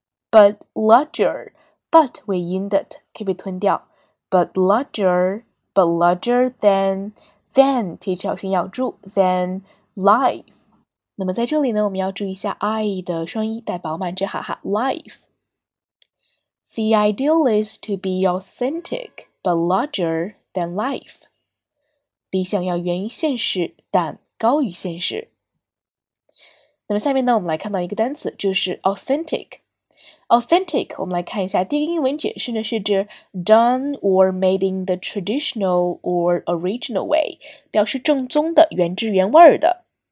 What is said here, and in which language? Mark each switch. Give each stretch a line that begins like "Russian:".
English: But larger, but
Chinese: 尾音的 t 可以被吞掉
English: but larger than
Chinese: 提起咬声咬住
English: than life.
Chinese: 那么在这里呢我们要注意一下 I 的双音带饱满之哈哈 life.
English: The ideal is to be authentic, but larger than life.
Chinese: 理想要源于现实但高于现实。那么下面呢我们来看到一个单词就是 authentic。authentic, 我们来看一下第一个英文解释呢是指
English: done or made in the traditional or original way,
Chinese: 表示正宗的原汁原味的。